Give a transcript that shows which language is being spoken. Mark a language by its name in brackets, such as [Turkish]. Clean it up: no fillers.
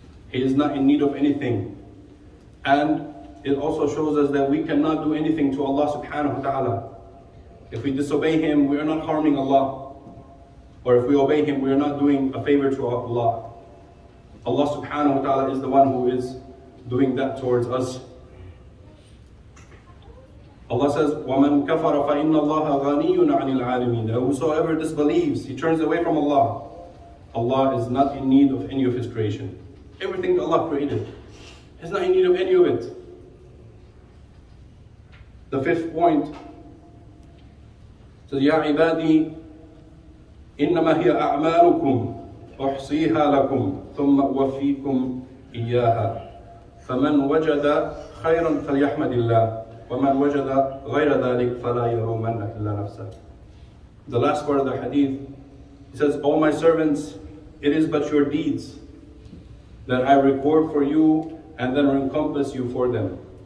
[English] He is not in need of anything. And it also shows us that we cannot do anything to Allah subhanahu wa ta'ala. If we disobey Him, we are not harming Allah. Or if we obey Him, we are not doing a favor to Allah. Allah subhanahu wa ta'ala is the one who is doing that towards us. Allah says, [Arabic] وَمَنْ كَفَرَ فَإِنَّ اللَّهَ غَنِيٌّ عَنِ الْعَالَمِينَ. [English] Whosoever disbelieves, he turns away from Allah. Allah is not in need of any of His creation. Everything that Allah created, He's not in need of any of it. The fifth point says, [Arabic] يَا عِبَادِي إِنَّمَا هِيَ أَعْمَالُكُمْ أُحْصِيهَا لَكُمْ ثُمَّ أُوَفِّيكُمْ إِيَّاهَا فَمَنْ وَجَدَ خَيْرًا فَلْيَحْمَدِ اللَّهِ وَمَنْ وَجَدَ غَيْرَ ذَلِكْ فَلَا يَرُومَنَّ إِلَّا نَفْسَهِ. [English] The last part of the hadith, he says, O my servants, it is but your deeds that I record for you and then encompass you for them.